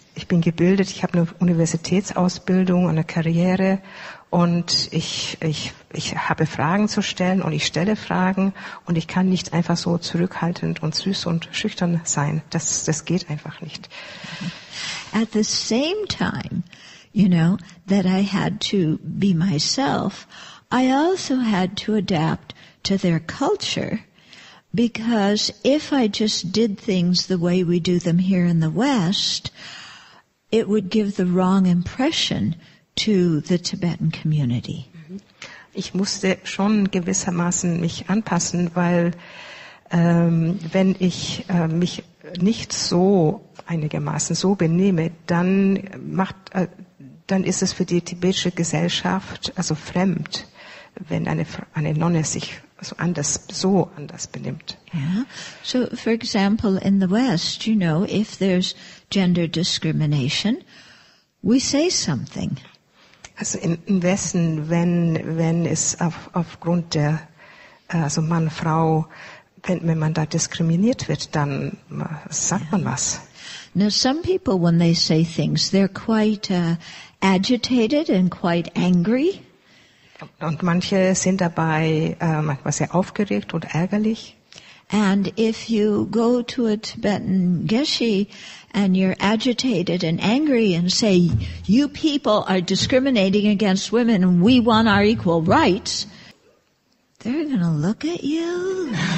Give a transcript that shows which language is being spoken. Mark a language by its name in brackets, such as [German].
[German] ich bin gebildet, ich habe eine Universitätsausbildung, eine Karriere und ich habe Fragen zu stellen und ich stelle Fragen und ich kann nicht einfach so zurückhaltend und süß und schüchtern sein. Das geht einfach nicht. [English] At the same time, you know, that I had to be myself, I also had to adapt to their culture. Because if I just did things the way we do them here in the West, it would give the wrong impression to the Tibetan community. [German] Ich musste schon gewissermaßen mich anpassen, weil wenn ich mich nicht so einigermaßen so benehme, dann ist es für die tibetische Gesellschaft also fremd, wenn eine Nonne sich so anders benimmt. Yeah. [English] So, for example, in the West, you know, if there's gender discrimination, we say something. [German] Also im Westen, wenn es aufgrund der also Mann, Frau, wenn man da diskriminiert wird, dann sagt man was. [English] Now, some people, when they say things, they're quite agitated and quite angry. [German] Und manche sind dabei manchmal sehr aufgeregt und ärgerlich. [English] And if you go to a Tibetan geshe and you're agitated and angry and say, you people are discriminating against women and we want our equal rights, they're going to look at you.